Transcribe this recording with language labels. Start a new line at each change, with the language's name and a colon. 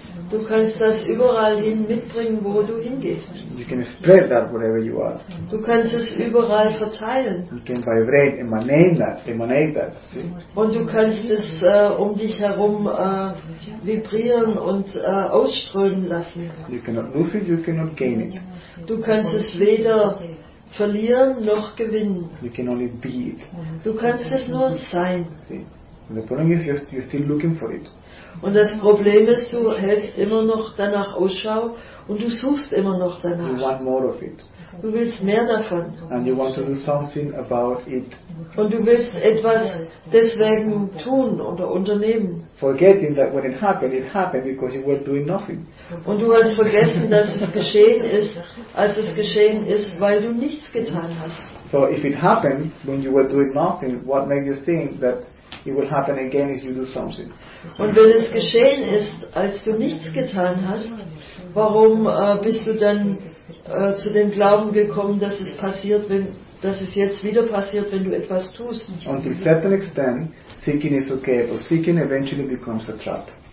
German: Du kannst das überall hin mitbringen, wo du hingehst.
English: You can spread that wherever you are.
German: Du kannst es überall verteilen.
English: You can vibrate, emanate that. See?
German: Und du kannst es um dich herum vibrieren und ausströmen lassen.
English: You cannot lose it, you cannot gain it.
German: Du kannst es weder verlieren noch gewinnen.
English: You can only be it.
German: Du kannst es nur sein.
English: See? The problem is you're still looking for it.
German: Und das Problem ist, du hältst immer noch danach Ausschau und du suchst immer noch danach.
English: You want more of it.
German: Du willst mehr davon.
English: And you want to do something about it.
German: Und du willst etwas deswegen tun oder unternehmen.
English: Forgetting that when it happened because you were doing nothing.
German: Und du hast vergessen, dass es geschehen ist, als es geschehen ist, weil du nichts getan hast.
English: So if it happened when you were doing nothing, what makes you think that it will happen again if you do something.
German: Und wenn es geschehen ist, als du nichts getan hast, warum bist du dann zu dem Glauben gekommen, dass es passiert, wenn dass es jetzt wieder passiert, wenn du etwas tust?
English: On a certain extent, seeking is okay, but seeking eventually becomes a trap.